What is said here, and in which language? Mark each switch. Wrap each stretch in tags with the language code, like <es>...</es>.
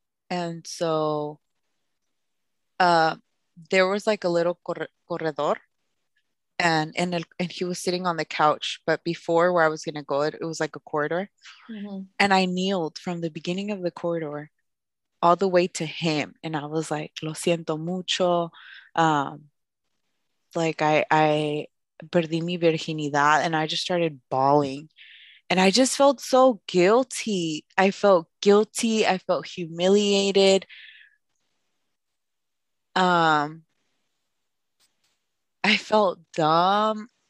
<en>And so there was like a little corredor, and he was sitting on the couch. But before where I was going to go, it was like a corridor. Mm-hmm. And I kneeled from the beginning of the corridor all the way to him. And I was like,</en> <es>"Lo siento mucho. Like I perdí mi virginidad."</es> <en>And I just started bawling. And I just felt so guilty. I felt guilty. I felt humiliated. I felt dumb.</en>